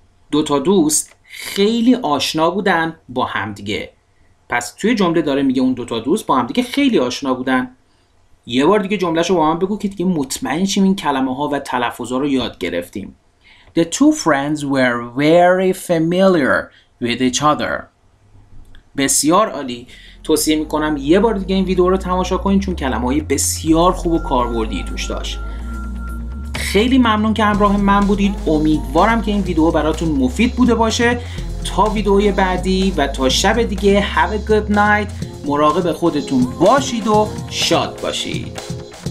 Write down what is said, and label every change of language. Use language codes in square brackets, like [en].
[fa] دو تا دوست خیلی آشنا بودن با همدیگه. پس توی جمله داره میگه اون دو تا دوست با همدیگه خیلی آشنا بودن. یه بار دیگه جمله شو با من بگو که دیگه مطمئن شیم این کلمه ها و تلفظ ها رو یاد گرفتیم. [en] The two friends were very familiar with each other. [fa] بسیار عالی. توصیه میکنم یه بار دیگه این ویدیو رو تماشا کنین چون کلمه های بسیار خوب و کاربردی توش داشت. خیلی ممنون که همراه من بودید. امیدوارم که این ویدیو براتون مفید بوده باشه. تا ویدیوی بعدی و تا شب دیگه، [en] have a good night. [fa] مراقب خودتون باشید و شاد باشید.